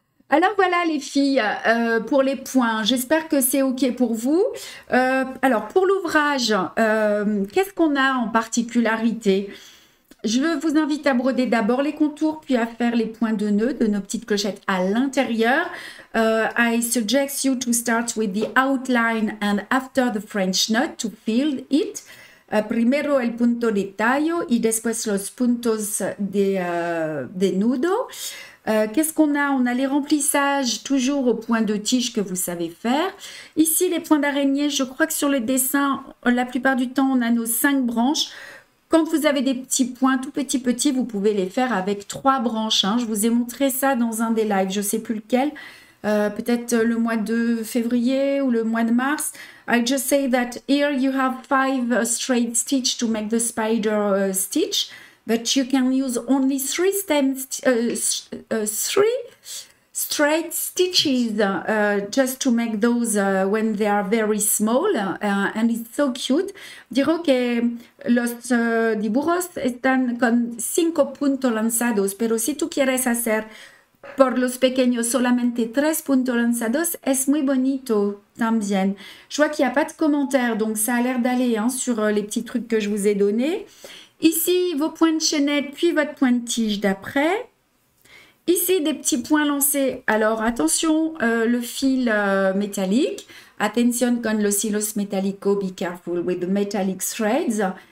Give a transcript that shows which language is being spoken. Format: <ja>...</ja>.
<fr>Alors voilà les filles, pour les points, j'espère que c'est OK pour vous. Alors pour l'ouvrage, qu'est-ce qu'on a en particularité? Je vous invite à broder d'abord les contours, puis à faire les points de nœuds de nos petites clochettes à l'intérieur.</fr> <en>I suggest you to start with the outline and after the French knot to feel it.</en> <es>Primero el punto de tallo y después los puntos de nudo.</es> <fr>Qu'est-ce qu'on a? On a les remplissages toujours au point de tige que vous savez faire. Ici, les points d'araignée, je crois que sur le dessin, la plupart du temps, on a nos cinq branches. Quand vous avez des petits points, tout petits, vous pouvez les faire avec trois branches, hein. Je vous ai montré ça dans un des lives, je ne sais plus lequel. Peut-être le mois de février ou le mois de mars.</fr> <en>I just say that here you have five straight stitches to make the spider stitch. But you can use only three three straight stitches just to make those when they are very small and it's so cute.</en> <es>Digo que los dibujos están con cinco puntos lanzados, pero si tú quieres hacer por los pequeños solamente tres puntos lanzados, es muy bonito también.</es> <fr>Je vois qu'il n'y a pas de commentaires, donc ça a l'air d'aller hein, sur les petits trucs que je vous ai donnés. Ici, vos points de chaînette, puis votre point de tige d'après. Ici, des petits points lancés. Alors, attention, le fil métallique.</fr> <es>Attention con los hilos metálicos.</es> <en>Be careful with the metallic threads.</en>